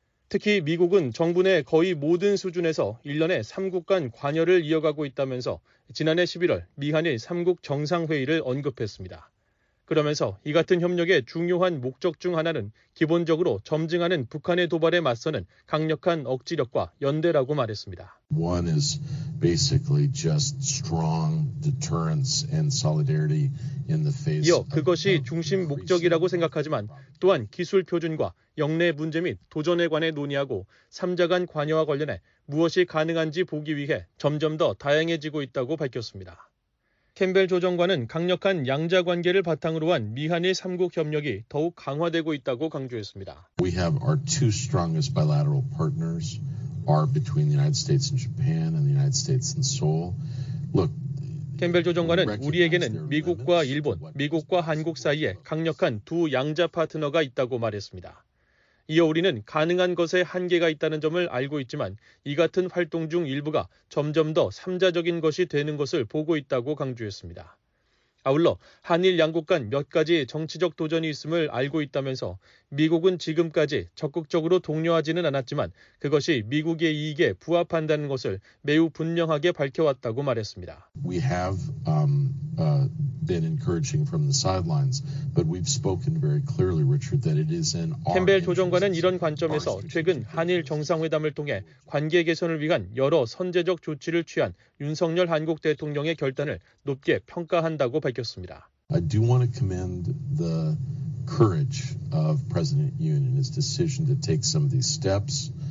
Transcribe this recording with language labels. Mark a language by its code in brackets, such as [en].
[ko] 특히 미국은 정부 내 거의 모든 수준에서 1년에 3국 간 관여를 이어가고 있다면서 지난해 11월 미한일 3국 정상회의를 언급했습니다. 그러면서 이 같은 협력의 중요한 목적 중 하나는 기본적으로 점증하는 북한의 도발에 맞서는 강력한 억지력과 연대라고 말했습니다. [en] One is basically just strong deterrence and solidarity in the face. [ko] 이어 그것이 중심 목적이라고 생각하지만 또한 기술 표준과 역내 문제 및 도전에 관해 논의하고 3자 간 관여와 관련해 무엇이 가능한지 보기 위해 점점 더 다양해지고 있다고 밝혔습니다. 캠벨 조정관은 강력한 양자 관계를 바탕으로 한 미한일 3국 협력이 더욱 강화되고 있다고 강조했습니다. [en] We have our two strongest bilateral partners are between the United States and Japan and the United States and Seoul. Look, [ko] 캠벨 조정관은 우리에게는 미국과 일본, 미국과 한국 사이에 강력한 두 양자 파트너가 있다고 말했습니다. 이어 우리는 가능한 것에 한계가 있다는 점을 알고 있지만 이 같은 활동 중 일부가 점점 더 삼자적인 것이 되는 것을 보고 있다고 강조했습니다. 아울러 한일 양국 간 몇 가지 정치적 도전이 있음을 알고 있다면서 미국은 지금까지 적극적으로 독려하지는 않았지만 그것이 미국의 이익에 부합한다는 것을 매우 분명하게 밝혀왔다고 말했습니다. [en] We have been encouraging from the sidelines, but we've spoken very clearly, Richard, that it is in our. [ko] 캠벨 조정관은 이런 관점에서 최근 한일 정상회담을 통해 관계 개선을 위한 여러 선제적 조치를 취한 윤석열 한국 대통령의 결단을 높게 평가한다고 밝혔습니다. [en] I do want to commend the courage of President Yoon and his decision to take some of these steps.